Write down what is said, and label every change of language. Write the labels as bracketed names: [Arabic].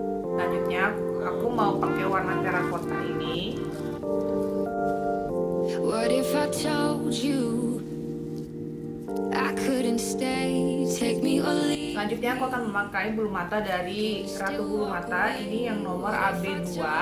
[Indonesian] Selanjutnya aku mau pakai warna terracotta ini. [English] What if I told you I couldn't stay, take me or leave. [Indonesian] Selanjutnya aku akan memakai bulu mata dari Ratu Bulu Mata, ini yang nomor AB2.